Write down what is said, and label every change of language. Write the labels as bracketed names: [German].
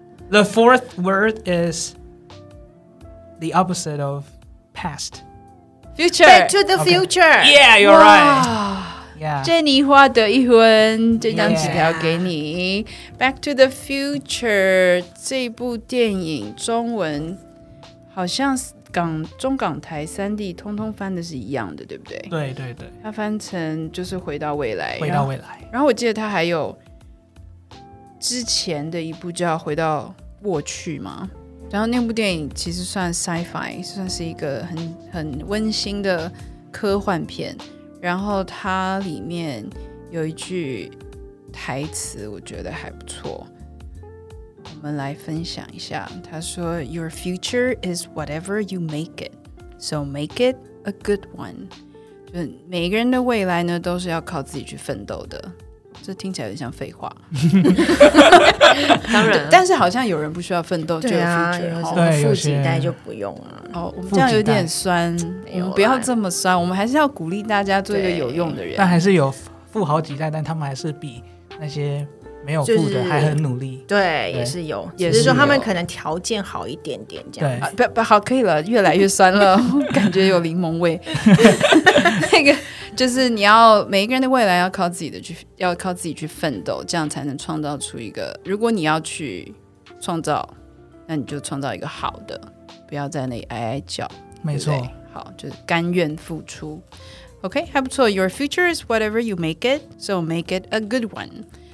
[English] The fourth word is the opposite of past. Future. Back to the future. Okay. Yeah, you're wow. right. Yeah. [Chinese] 珍妮花得一婚，这张纸条给你。 Back to the future 这部电影中文好像中港台三地通通翻的是一样的，对不对？对对对，它翻成就是回到未来，回到未来。然后我记得它还有之前的一部叫回到过去嘛，然后那部电影其实算 sci-fi， 算是一个 很温馨的科幻片，然后它里面有一句台词我觉得还不错，我们来分享一下。他说 [English] Your future is whatever you make it, so make it a good one. [Chinese] 就每个人的未来呢都是要靠自己去奋斗的，这听起来很像废话。当然，但是好像有人不需要奋斗就有 future、啊、有什么富几代就不用了、哦、我们这样有点酸，我们不要这么酸，我们还是要鼓励大家做一个有用的人。但还是有富好几代，但他们还是比那些没有富的、就是、还很努力。对， 对，也是有，也是说他们可能条件好一点点这样。对、啊、不好，可以了，越来越酸了。感觉有柠檬味。那个就是你要每一个人的未来要靠自己的去，要靠自己去奋斗，这样才能创造出一个，如果你要去创造，那你就创造一个好的，不要在那里哀哀叫。没错，对对，好，就是甘愿付出。OK， 还不错。 [English] Your future is whatever you make it, so make it a good one。